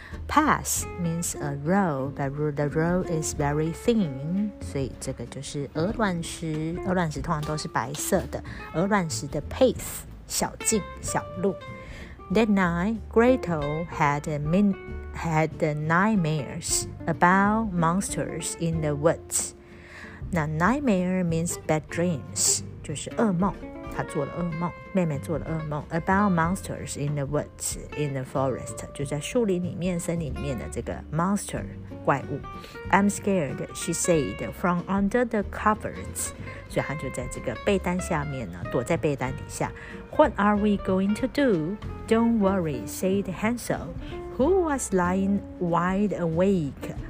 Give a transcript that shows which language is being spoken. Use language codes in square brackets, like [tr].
[en] Path means a road, but the road is very thin. [zh] 所以这个就是鹅卵石，鹅卵石通常都是白色的。鹅卵石的 path, 小径，小路。 [en] That night, Gretel had nightmares about monsters in the woods. Now, nightmare means bad dreams, [zh] 就是噩梦。她做了噩梦，妹妹做了噩梦。 [en] About monsters in the woods, in the forest, [zh] 就在树林里面、森林里面的这个 monster 怪物。 [en] I'm scared, she said, from under the covers. [zh] 所以她就在这个被单下面呢，躲在被单底下。 [en] What are we going to do? Don't worry, said Hansel, who was lying wide awake.